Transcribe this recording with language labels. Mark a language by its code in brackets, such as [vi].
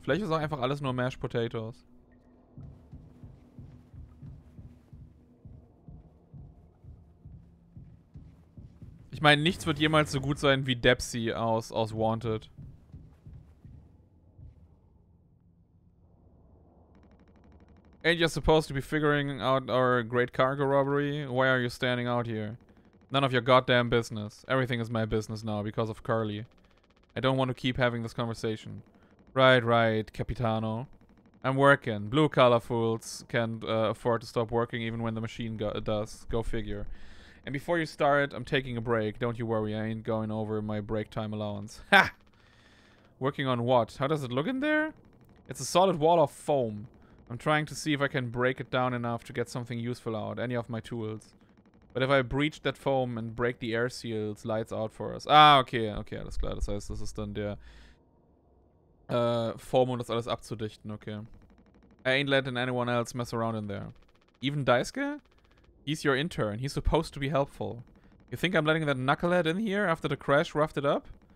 [de] Vielleicht ist auch einfach alles nur Mashed Potatoes. Ich meine, nichts wird jemals so gut sein wie Depsy aus Wanted. [en] Ain't you supposed to be figuring out our great cargo robbery? Why are you standing out here? None of your goddamn business. Everything is my business now because of Carly. I don't want to keep having this conversation. Right, Capitano. I'm working. Blue collar fools can't afford to stop working even when the machine does. Go figure. And before you start, I'm taking a break. Don't you worry, I ain't going over my break time allowance. Ha! Working on what? How does it look in there? It's a solid wall of foam. I'm trying to see if I can break it down enough to get something useful out, any of my tools. But if I breach that foam and break the air seals, lights out for us. [de] Okay, alles klar. Das heißt, das ist dann der Foam, um das alles abzudichten, okay. [en] I ain't letting anyone else mess around in there. Even Daisuke? He's your intern. He's supposed to be helpful. You think I'm letting that knucklehead in here after the crash roughed it up?